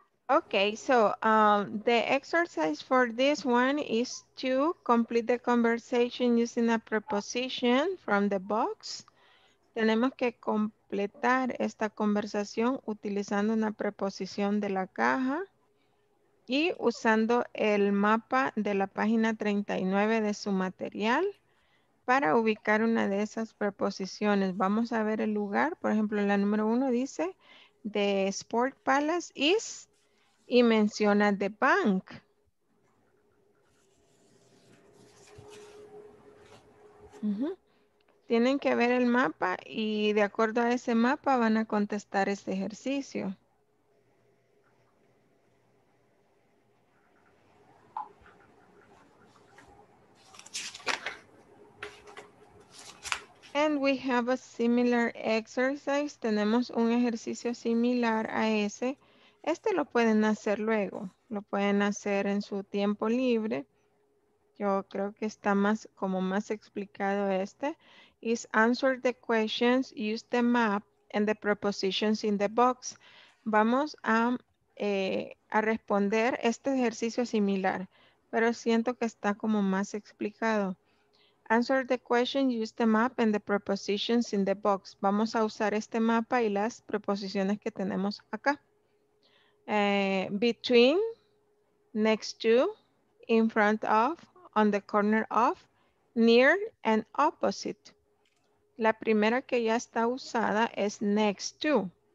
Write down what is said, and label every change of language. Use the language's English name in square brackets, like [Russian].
[English] Okay, so the exercise for this one is to complete the conversation using a preposition from the box. [Spanish] Tenemos que completar esta conversación utilizando una preposición de la caja y usando el mapa de la página 39 de su material para ubicar una de esas preposiciones. Vamos a ver el lugar. Por ejemplo, la número uno dice [English] the Sport Palace is [Spanish] y menciona the bank. Tienen que ver el mapa y de acuerdo a ese mapa van a contestar este ejercicio. [English] And we have a similar exercise. [Spanish] Tenemos un ejercicio similar a ese. Este lo pueden hacer luego. Lo pueden hacer en su tiempo libre. Yo creo que está más, como más explicado este. [English] Is answer the questions, use the map and the prepositions in the box. [Spanish] Vamos a responder este ejercicio similar, pero siento que está como más explicado. [English] Answer the question, use the map and the prepositions in the box. [Spanish] Vamos a usar este mapa y las preposiciones que tenemos acá. [English] Between, next to, in front of, on the corner of, near and opposite. [Spanish] La primera que ya está usada es next to.